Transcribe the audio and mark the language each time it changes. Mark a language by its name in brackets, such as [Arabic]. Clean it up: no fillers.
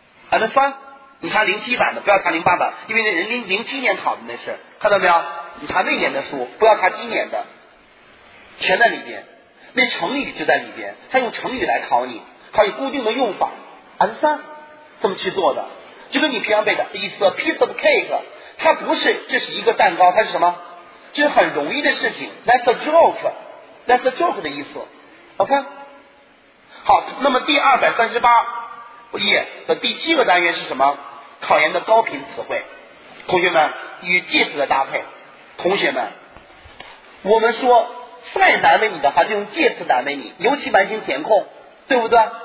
[Chinese] 啊，那算你查2007版的，不要查2008版，因为那人2007年考的，那是看到没有，你查那年的书，不要查今年的，全在里边，那成语就在里边，他用成语来考你，考你固定的用法，安三这么去做的，就跟你平常背的 [English] It's a piece of cake， [Chinese] 它不是，这是一个蛋糕，它是什么？这是很容易的事情， [English] That's a joke， [Chinese] That's a joke 的意思 OK。好，那么第238页的第7个单元是什么？考研的高频词汇，同学们，与介词的搭配。同学们，我们说再难为你的话就用介词难为你，尤其完形填空，对不对？